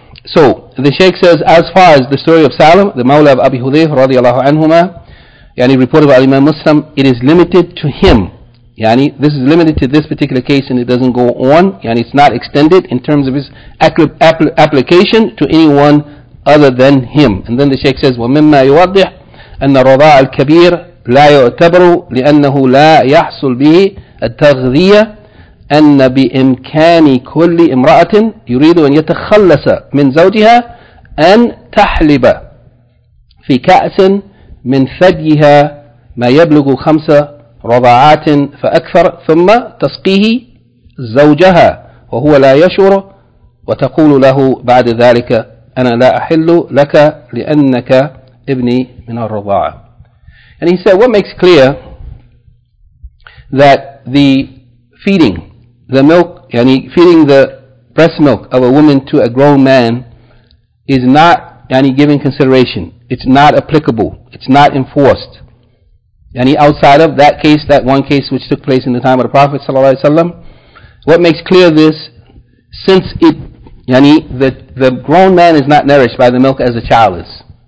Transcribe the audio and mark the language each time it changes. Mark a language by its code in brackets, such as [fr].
[en] So, the Shaykh says, as far as the story of Salim, the Mawla of Abi Hudhayfa, radiallahu anhumah, reported by Imam Muslim, it is limited to him. Yani, this is limited to this particular case and it doesn't go on. Yani, it's not extended in terms of its application to anyone other than him. And then the Shaykh says, [ar] وَمِمَّا يُوَضِّحْ أَنَّ رَضَاءَ الْكَبِيرِ لَا يُعْتَبَرُ لِأَنَّهُ لَا يَحْصُلْ بِهِ التَّغْذِيَةِ أَنَّ بِإِمْكَانِ كُلِّ إِمْرَأَةٍ يُرِيدُ أَنْ يَتَخَلَّسَ مِنْ زَوْجِهَا أَنْ تَحْلِبَ فِي كَأْسٍ مِنْ ثَدْيِهَا مَا يَبْلُغُ خَمْسَ رَضَاعَاتٍ فَأَكْثَرْ ثُمَّ تَسْقِيهِ زَوْجَهَا وَهُوَ لَا يَشْعُرُ وَتَقُولُ لَهُ بَعْدَ ذَلِكَ أَنَا لَا أَحِلُّ لَكَ لِأَنَّكَ ابْنِي مِنَ الرَّضَاعَةِ. [en] And he said, what makes clear that the feeding, the milk, yani feeding the breast milk of a woman to a grown man is not yani given consideration. It's not applicable. It's not enforced. Yani outside of that case, that one case which took place in the time of the Prophet ﷺ, what makes clear this, since it, yani the grown man is not nourished by the milk as a child is.